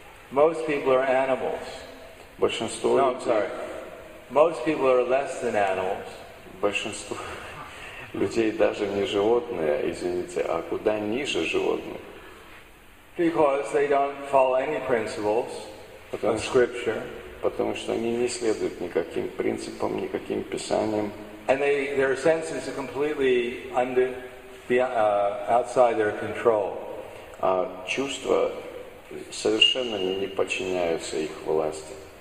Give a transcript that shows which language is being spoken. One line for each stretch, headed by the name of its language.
English: Most people are animals.
Russian: Большинство людей...
English: No, I'm sorry. Most people are less than animals.
Russian: Большинство людей даже не животные, извините, а куда ниже животных.
English: Because they don't follow any principles of scripture.
Russian: Потому что они не следуют никаким принципам, никаким писаниям.
English: And their senses are completely outside their control.
Russian: А чувства совершенно не подчиняются их власти.